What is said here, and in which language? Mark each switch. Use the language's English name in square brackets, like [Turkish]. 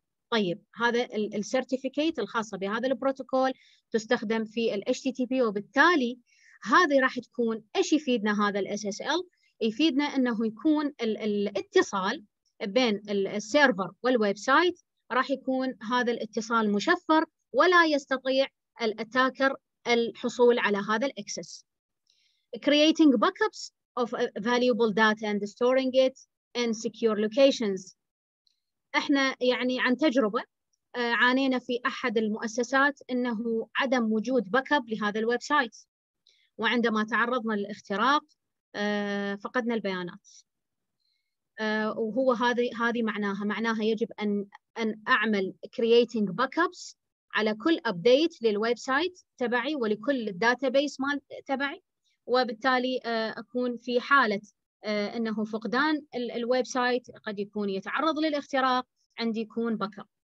[Arabic] طيب هذا السيرتيفيكيت الخاصة بهذا البروتوكول تستخدم في ال HTTP، وبالتالي هذه راح تكون ايش يفيدنا هذا الاس اس ال؟ يفيدنا انه يكون الاتصال بين السيرفر والويب سايت راح يكون هذا الاتصال مشفر ولا يستطيع الاتاكر الحصول على هذا الاكسس. [English] Creating backups of valuable data and storing it in secure locations. [Arabic] احنا يعني عن تجربه عانينا في احد المؤسسات انه عدم وجود backup لهذا الويب سايت، وعندما تعرضنا للاختراق فقدنا البيانات. وهو هذه معناها يجب ان اعمل [English] creating backups [Arabic] على كل ابديت للويب سايت تبعي ولكل الداتابيس مال تبعي، وبالتالي اكون في حاله انه فقدان الويب سايت قد يكون يتعرض للاختراق عندي يكون backup.